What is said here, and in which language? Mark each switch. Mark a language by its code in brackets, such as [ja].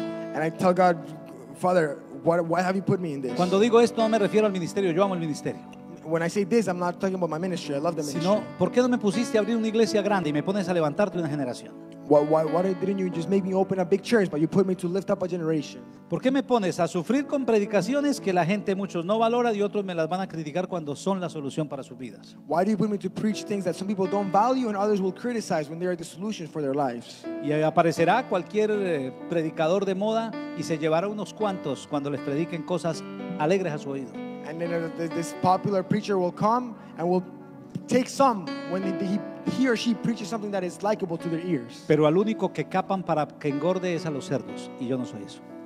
[en] And I tell God, Father, why have you put me in this? [es] Cuando digo esto no me refiero al ministerio, yo amo el ministerio. [en] When I say this, I'm not talking about my ministry. I love the ministry. [es] Sino, ¿por qué no me pusiste a abrir una iglesia grande y me pones a levantarte una generación? [en] Why didn't you just make me open a big church, but you put me to lift up a generation? [es] ¿Por qué me pones a sufrir con predicaciones que la gente, muchos, no valora y otros me las van a criticar cuando son la solución para sus vidas? [en] Why do you put me to preach things that some people don't value and others will criticize when they are the solution for their lives? [es] Y aparecerá cualquier predicador de moda y se llevará unos cuantos cuando les prediquen cosas alegres a su oído. [en] And then this popular preacher will come and will take some when he or she preaches something that is likable to their ears. [es] Pero al único que capan para que engorde es a los cerdos, y yo no soy eso.